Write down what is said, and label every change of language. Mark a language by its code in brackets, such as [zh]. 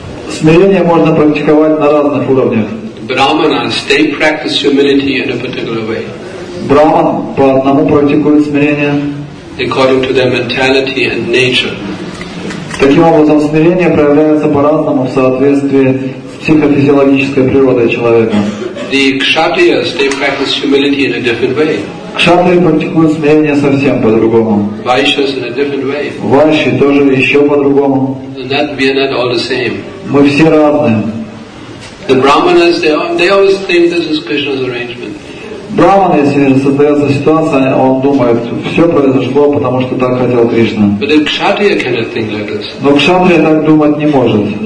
[ru] Смирение можно практиковать на разных уровнях. [en] Brahmanas, they practice humility in a particular way. [ru] Brahman по одному практикует смирение. [en] According to their mentality and nature. [ru] Таким образом, смирение проявляется по-разному в соответствии с психофизиологической природой человека. [en] The kshatriyas, they practice humility in a different way. [ru] Кшатрии практикуют смирение совсем по-другому. [en] Vaishyas in a different way. [ru] Vaishyas тоже еще по-другому. [en] We are not all the same. [ru] Мы все разные. [en] The brahmanas, they always think this is Krishna's arrangement. [ru] Браман, если создается ситуация, он думает, все произошло, потому что так хотел Кришна. Но кшатрия так думать не может.